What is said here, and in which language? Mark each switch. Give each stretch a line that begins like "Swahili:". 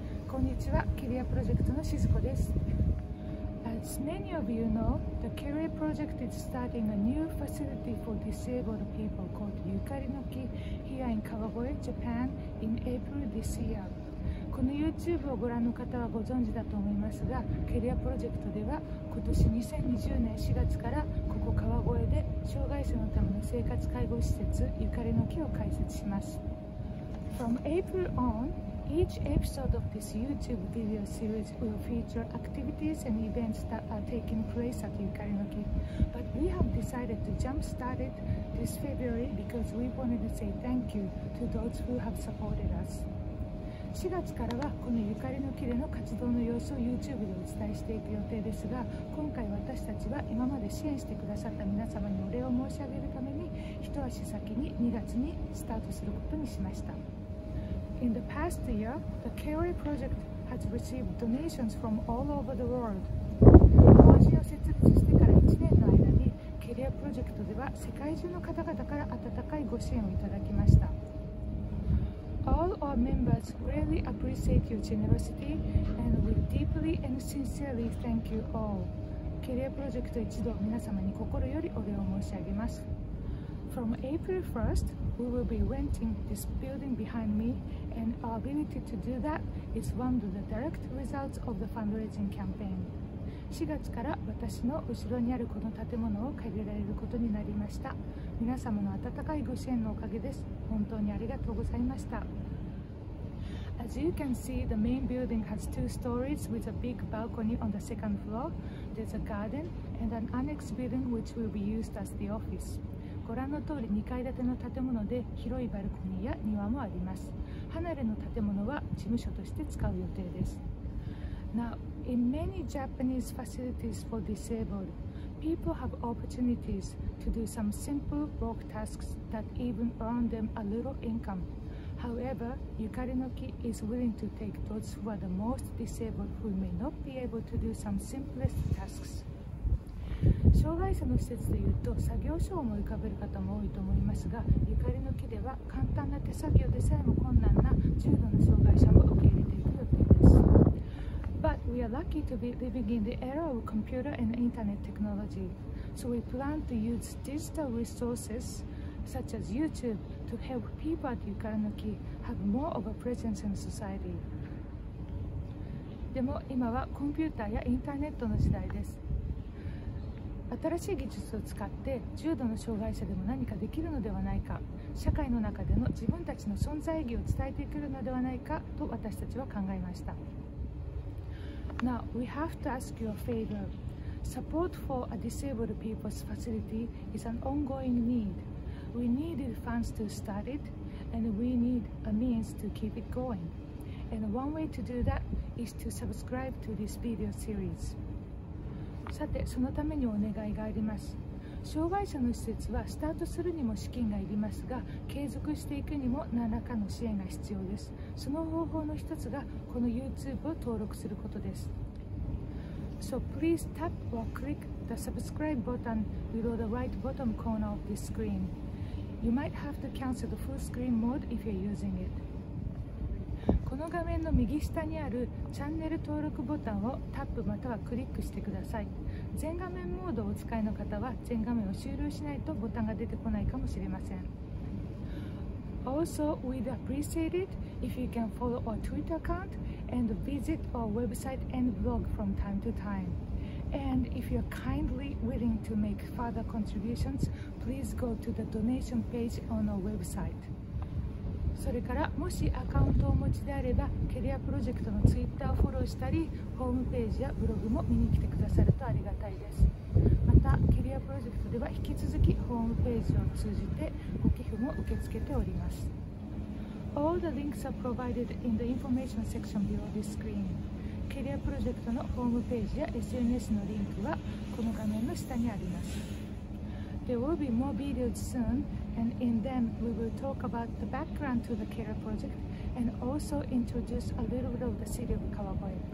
Japanese: こんにちは、ケリアプロジェクトのしずこです。
English: As many of you know, the ケリア Project is starting a new facility for disabled people called ゆかりの木 here in Kawagoe, Japan in April this year.
Japanese: この YouTube をご覧の方はご存知だと思いますが、ケリアプロジェクトでは今年2020年4月からここ川越で障害者のための生活介護施設ゆかりの木を開設します。
English: From April on, each episode of this YouTube video series will feature activities and events that are taking place at ゆかりの木. But we have decided to jump start it this February because we wanted to say thank you to those who have supported us.
Japanese: 4月からはこのゆかりの木での活動の様子を YouTube でお伝えしていく予定ですが、今回私たちは今まで支援してくださった皆様にお礼を申し上げるために一足先に2月にスタートすることにしました。
English: In the past year, the ケリア Project has received donations from all over the world.
Japanese: 法人を設立してから1年の間にケリアプロジェクトでは世界中の方々から温かいご支援をいただきました。
English: All our members greatly appreciate your generosity and we deeply and sincerely thank you all.
Japanese: ケリアプロジェクト一同皆様に心よりお礼を申し上げます。
English: From April 1st, we will be renting this building behind me and our ability to do that is one of the direct results of the fundraising campaign.
Japanese: 4月から私の後ろにあるこの建物を借りられることになりました。皆様の温かいご支援のおかげです。本当にありがとうございました。
English: As you can see, the main building has two stories with a big balcony on the second floor. There's a garden and an annex building which will be used as the office.
Japanese: ご覧の通り2階建ての建物で広いバルコニーや庭もあります。離れの建物は事務所として使う予定です。
English: Now, in many Japanese facilities for disabled,People have opportunities to do some simple work tasks that even earn them a little income. However, ゆかりの木 is willing to take those who are the most disabled who may not be able to do some simplest tasks.
Japanese: 障害者の施設でいうと作業所を思い浮かべる方も多いと思いますが、ゆかりの木では簡単な手作業でさえも困難な重度の障害者も受け入れていく予定です。
English: But we are lucky to be living in the era of computer and internet technology. So we plan to use digital resources such as YouTube to help people at ゆかりの木 have more of a presence in society.
Japanese: でも今はコンピューターやインターネットの時代です。新しい技術を使って重度の障害者でも何かできるのではないか、社会の中での自分たちの存在意義を伝えてくるのではないかと私たちは考えました。
English: Now, we have to ask you a favor. Support for a disabled people's facility is an ongoing need. We needed funds to start it, and we need a means to keep it going. And one way to do that is to subscribe to this video series.
Japanese: さて、そのためにお願いがあります。障害者の施設はスタートするにも資金がいりますが、継続していくにも何らかの支援が必要です。その方法の一つがこの YouTube を登録することです。
English: So please tap or click the subscribe button below the right bottom corner of the screen. You might have to cancel the full screen mode if you're using it.
Japanese: この画面の右下にあるチャンネル登録ボタンをタップまたはクリックしてください。全画面モードをお使いの方は全画面を終了しないとボタンが出てこないかもしれません。
English: Also, we'd appreciate it if you can follow our Twitter account and visit our website and blog from time to time. And if you're kindly willing to make further contributions, please go to the donation page on our website.
Japanese: それからもしアカウントをお持ちであればケリアプロジェクトの Twitter をフォローしたりホームページやブログも見に来てくださるとありがたいです。またケリアプロジェクトでは引き続きホームページを通じてご寄付も受け付けております。
English: All the links are provided in the information section below this screen.
Japanese: ケリアプロジェクトのホームページや SNS のリンクはこの画面の下にあります。
English: There will be more videos soon and in them we will talk about the background to the ケリア Project and also introduce a little bit of the city of Kawagoe.